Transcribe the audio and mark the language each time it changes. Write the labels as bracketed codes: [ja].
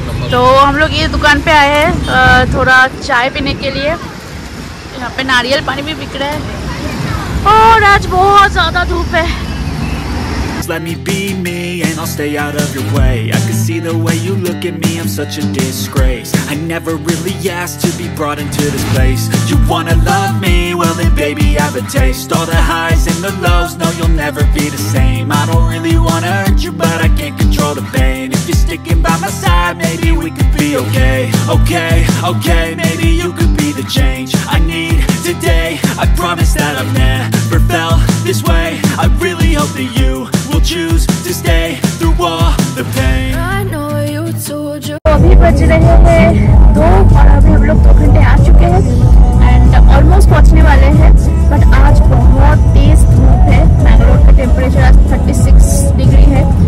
[hi] तो हम लोग ये दुकान पे आए हैं थोड़ा चाय पीने के लिए। यहाँ पे नारियल पानी भी बिक रहा है और आज बहुत ज्यादा धूप है। [en] Let me be me and I'll stay out of your way. I can see the way you look at me, I'm such a disgrace. I never really asked to be brought into this place. You wanna love me, well then baby I have a taste. All the highs and the lows, no you'll never be the same. I don't really wanna hurt you, but I can't control the pain. If you're sticking by my side, maybe we could be okay. Okay, okay, maybe you could be the change I need today. I promise that I've never felt this way. I really hope that you [hi] अभी बज रहे हैं 2 और अभी हम लोग 2 घंटे आ चुके हैं एंड ऑलमोस्ट पहुंचने वाले हैं। बट आज बहुत तेज धूप है, बैंगलोर का टेम्परेचर आज 36 डिग्री है।